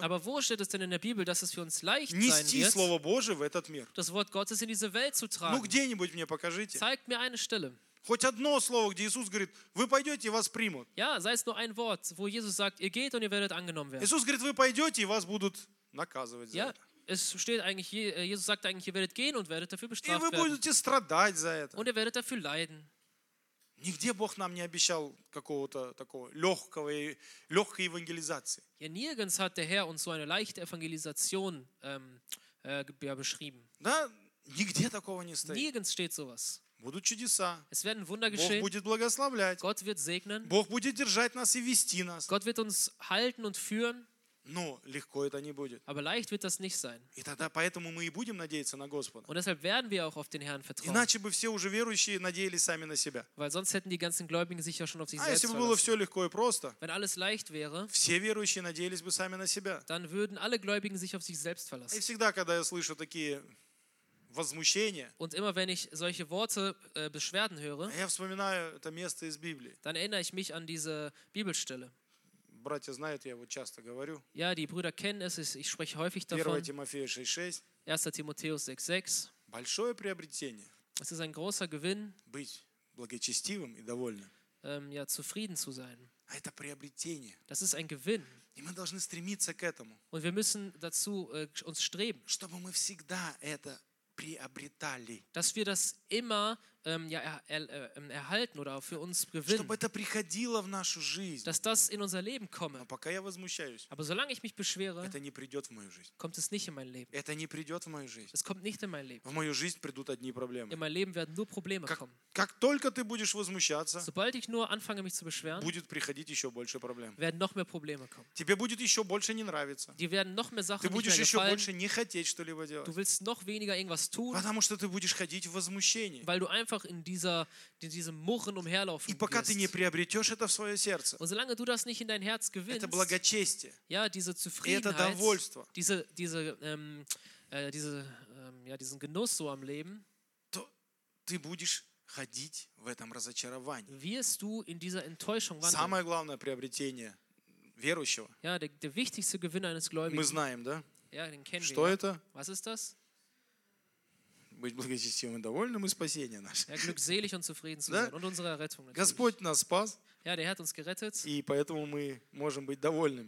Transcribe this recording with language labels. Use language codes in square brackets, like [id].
[de] Aber wo steht es denn in der Bibel, dass es für uns leicht sein wird? [ru] Нести слово Божие в этот мир. [de] Das Wort Gottes in diese Welt zu tragen. [ru] Ну где-нибудь мне покажите. [de] Zeigt mir eine Stelle. [ru] Хоть одно слово, где Иисус говорит, вы пойдете, и вас примут. [de] Ja, sei es nur ein Wort, wo Jesus sagt, ihr geht und ihr werdet angenommen werden. [ru] Иисус говорит, вы пойдете, и вас будут наказывать за это. [de] Es steht eigentlich, Jesus sagt eigentlich, ihr werdet gehen und werdet dafür bestraft werden. [ru] Будете страдать за это. [de] Und ihr werdet dafür leiden. [ru] Нигде Бог нам не обещал какого-то такого легкого и легкой евангелизации. [de] Ja, nirgends hat der Herr uns so eine leichte Evangelisation beschrieben. [ru] Да, нигде такого не стоит. [de] Nirgends steht sowas. [ru] Будут чудеса. [de] Es werden Wunder geschehen. [ru] Бог будет благословлять. [de] Gott wird segnen. [ru] Бог будет держать нас и вести нас. [de] Gott wird uns halten und führen. [ru] Но легко это не будет. [de] Aber leicht wird das nicht sein. [ru] И тогда поэтому мы и будем надеяться на Господа. [de] Und deshalb werden wir auch auf den Herrn vertrauen. [ru] Иначе бы все уже верующие надеялись сами на себя. [de] Weil sonst hätten die ganzen Gläubigen sich ja schon auf sich selbst verlassen. [ru] А если бы было все легко и просто, [de] wenn alles leicht wäre, [ru] все верующие надеялись бы сами на себя. [de] Dann würden alle Gläubigen sich auf sich selbst verlassen. [ru] И всегда, когда я слышу такие возмущения, [de] und immer wenn ich solche Worte Beschwerden höre, [ru] я вспоминаю это место из Библии. [de] Dann erinnere ich mich an diese Bibelstelle. [ru] Братья знают, я его часто говорю. [de] Ja, die Brüder kennen es, ich spreche häufig davon. 1 Timotheus 6:6. 1. Timotheus 6:6. [ru] Большое приобретение. [de] Es ist ein großer Gewinn. [ru] Быть благочестивым и довольным. [de] Ja, zufrieden zu sein. [ru] А это приобретение. [de] Das ist ein Gewinn. [ru] И мы должны стремиться к этому. [de] Und wir müssen dazu uns streben. [ru] Чтобы мы всегда это приобретали. [de] Dass wir das immer ja, erhalten oder für uns gewinnen. [ru] Чтобы это приходило в нашу жизнь. [de] Dass das in unser Leben komme. [ru] Но пока я возмущаюсь. [de] Aber solange ich mich beschwere, [ru] это не придет в мою жизнь. [de] Kommt es nicht in mein Leben. [ru] Это не придет в мою жизнь. [de] Es kommt nicht in mein Leben. [ru] В мою жизнь придут одни проблемы. [de] In mein Leben werden nur Probleme kommen. [ru] Как только ты будешь возмущаться, [de] sobald ich nur anfange mich zu beschweren, [ru] будет приходить еще больше проблем. [de] Werden noch mehr Probleme kommen. [ru] Тебе будет еще больше не нравиться. [de] Dir werden noch mehr Sachen [ru] ты будешь [de] nicht mehr [ru] еще больше не хотеть что-либо делать. [de] Du willst noch weniger irgendwas tun. [ru] Потому что ты будешь ходить в возмущении. [de] Weil du einfach in diesem Murren umherlaufen. [ru] И пока ты не приобретешь это в свое сердце, [de] und solange du das nicht in dein Herz gewinnst, [ru] это благочестие, [de] ja, diese Zufriedenheit, [ru] это довольство, [de] diesen Genuss so am Leben, [ru] то ты будешь ходить в этом разочаровании. [de] Wirst du in dieser Enttäuschung wandeln. [ru] Самое главное приобретение верующего. [de] Ja, der wichtigste Gewinn eines Gläubigen. [ru] Мы знаем, да? [de] Ja, den kennen [ru] что [de] wir. [ru] Это? [de] Was ist das? [ru] Быть благочестивым и довольным и спасение наше. [de] Ja, glückselig und zufrieden zu sein und unsere Errettung. [ru] Господь нас спас. [de] Ja, der hat uns gerettet. [ru] И поэтому мы можем быть довольными.